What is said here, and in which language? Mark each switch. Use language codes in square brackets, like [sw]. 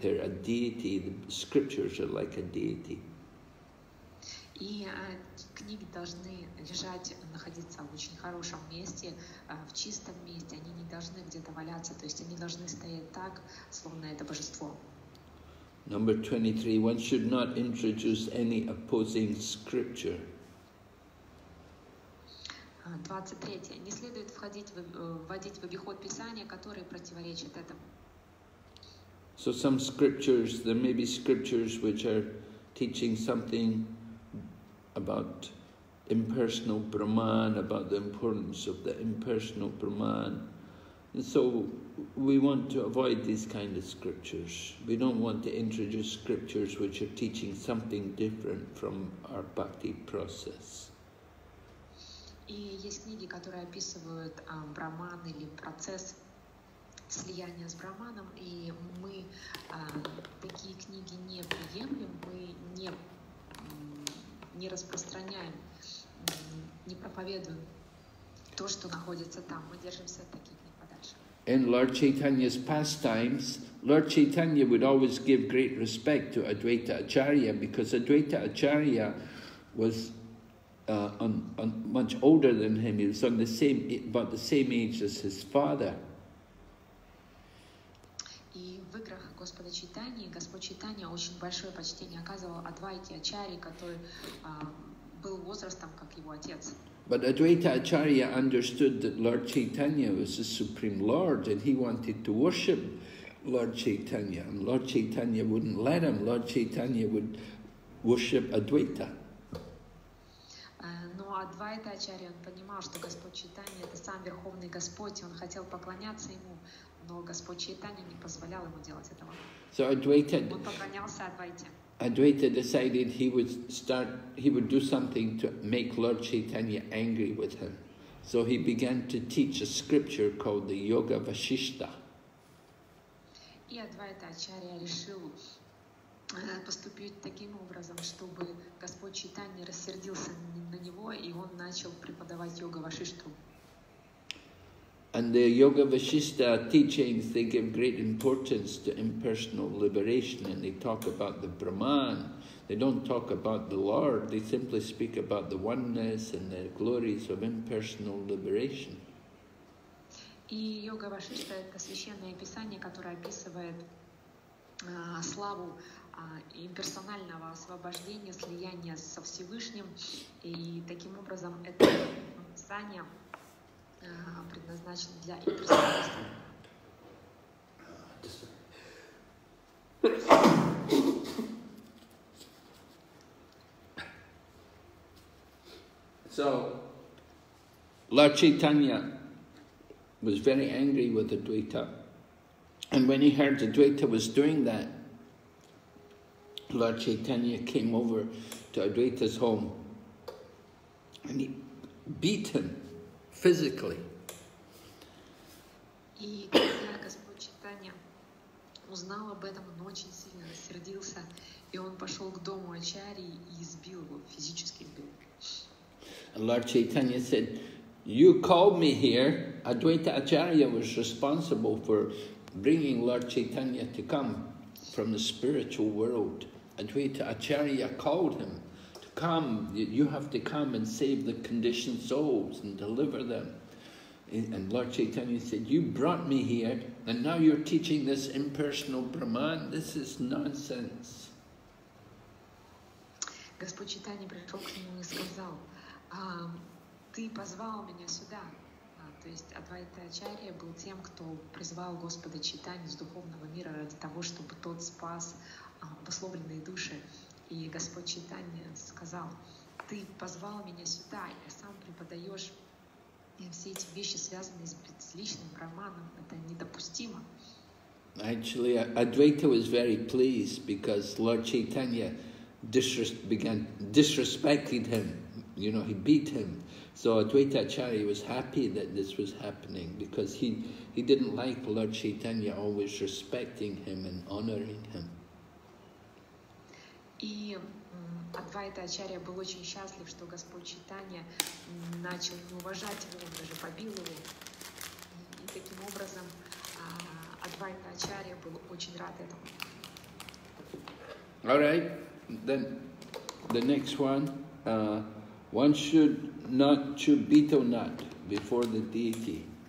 [en] They're a deity, the scriptures are like a deity. [ru] И книги должны лежать, находиться в очень хорошем месте, в чистом месте, они не должны где-то валяться, то есть они должны стоять так, словно это божество. [en] Number 23, one should not introduce any opposing scripture. [ru] 23. Не следует вводить в обиход Писания, которые противоречат этому. [en] So some scriptures, there may be scriptures which are teaching something about impersonal Brahman, about the importance of the impersonal Brahman. And so we want to avoid these kind of scriptures. We don't want to introduce scriptures which are teaching something different from our bhakti process. [ru] И есть книги, которые описывают Браман или процесс слияния с Браманом, и мы такие книги не приемлем, мы не распространяем, не проповедуем то, что находится там, мы держимся от таких книг подальше. [en] In Lord Chaitanya's pastimes, Lord Chaitanya would always give great respect to Advaita Acharya, because Advaita Acharya was on much older than him, he was on the same, about the same age as his father. [ru] И в играх Господа Чайтаньи, Господь Чайтанья очень большое почтение оказывал Адвайте Ачарье, который был возрастом как его отец. [en] But Advaita Acharya understood that Lord Chaitanya was the Supreme Lord, and he wanted to worship Lord Chaitanya, and Lord Chaitanya wouldn't let him. Lord Chaitanya would worship Advaita. [ru] Адвайта Ачарья, он понимал, что Господь Чайтанья это сам Верховный Господь, и он хотел поклоняться ему, но Господь Чайтанья не позволял ему делать этого. [en] So Advaita, [ru] он поклонялся Адвайте. [en] Advaita decided he would start, he would do something to make Lord Chaitanya angry with him. So he began to teach a scripture called the Yoga Vashishta. [ru] И Адвайта Ачарья решил поступить таким образом, чтобы Господь Чайтанья рассердился на него, и он начал преподавать йога Вашишту. [en] And the yoga Vashishta teachings, they give great importance to impersonal liberation, and they talk about the Brahman. They don't talk about the Lord. They simply speak about the oneness and the glories of impersonal liberation. [ru] И йога Вашишта это священное писание, которое описывает славу имперсонального освобождения, слияния со Всевышним, и таким образом это писание предназначено для имперсонального. [en] So, Lord Chaitanya was very angry with Advaita, and when he heard Advaita was doing that, Lord Chaitanya came over to Advaita's home and he beat him physically. [ru] И когда Господь Чайтанья узнал об этом, он очень сильно рассердился, и он пошел к дому Ачарьи и избил его, физически избил. [en] Lord Chaitanya said, you called me here. Advaita Acharya was responsible for bringing Lord Chaitanya to come from the spiritual world. Advaita Acharya called him to come. You have to come and save the conditioned souls and deliver them. And Lord Chaitanya said, you brought me here and now you're teaching this impersonal Brahman. This is nonsense. [ru] Господь Чайтанья пришел к нему и сказал, ты позвал меня сюда. То есть Адвайта Ачарья был тем, кто призвал Господа Чайтанью из духовного мира ради того, чтобы тот спас обусловленные души. И Господь Чайтанья сказал, ты позвал меня сюда, я сам преподаешь. И все эти вещи, связанные с личным Брахманом, это недопустимо. [en] Actually, Advaita was very pleased because Lord Chaitanya disrespected him, you know, he beat him. So Advaita Acharya was happy that this was happening because he didn't like Lord Chaitanya always respecting him and honoring him. [ru] И Адвайта Ачарья был очень счастлив, что Господь Чайтанья начал его уважать, его даже побил его. И таким образом Адвайта Ачарья был очень рад этому. [en] All right. Then the next one, one should not chew betel nut before the deity.